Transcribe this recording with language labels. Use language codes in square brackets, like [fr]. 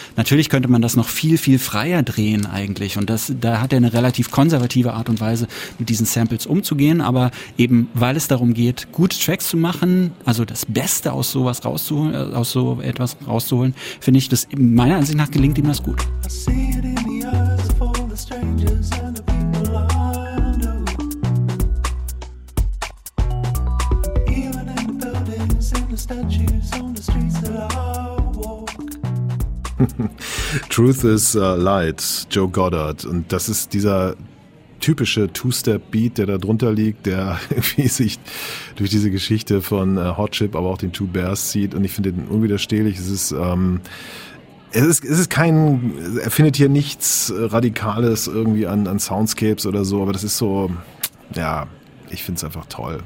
[de] Natürlich könnte man das noch viel, viel freier drehen eigentlich. Und da hat er eine relativ konservative Art und Weise, mit diesen Samples umzugehen. Aber eben, weil es darum geht, gute Tracks zu machen, also das Beste aus sowas rauszuholen, aus so etwas rauszuholen, finde ich, das meiner Ansicht nach gelingt ihm das gut. [en] Strangers and the people I know, even in the buildings and the statues on the streets that I walk. Truth is Light, Joe Goddard. [de] Und das ist dieser typische Two-Step-Beat, der da drunter liegt, der irgendwie sich durch diese Geschichte von Hot Chip, aber auch den Two Bears zieht. Und ich finde den unwiderstehlich. Er findet hier nichts Radikales irgendwie an Soundscapes oder so, aber das ist so, ja, ich finde es einfach toll.